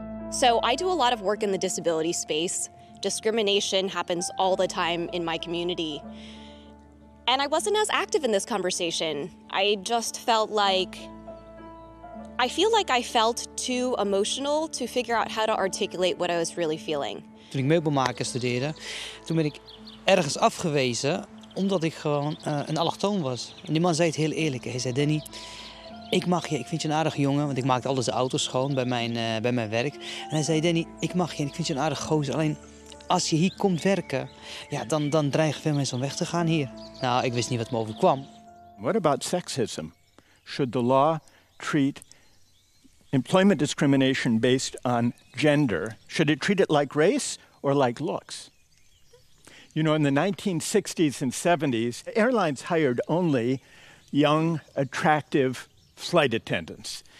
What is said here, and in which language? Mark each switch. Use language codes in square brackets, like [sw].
[en] So I do a lot of work in the disability space. Discrimination happens all the time in my community. And I wasn't as active in this conversation. I just felt like I feel like I felt too emotional to figure out how to articulate what I was really feeling. [nl] Toen ik meubelmaker studeerde, toen ben ik ergens afgewezen omdat ik gewoon een allochtoon was. En die man zei het heel eerlijk. Hij zei, Danny, ik mag je, ik vind je een aardige jongen, want ik maakte alles de auto's schoon bij mijn werk. En hij zei, Danny, ik mag je en ik vind je een aardige gozer. Alleen, als je hier komt werken, ja, dan dreigen veel mensen om weg te gaan hier. Nou, ik wist niet wat me overkwam. [en] What about sexism? Should the law treat employment discrimination based on gender, should it treat it like race or like looks? You know, in the 1960s and 70s, airlines hired only young, attractive flight attendants.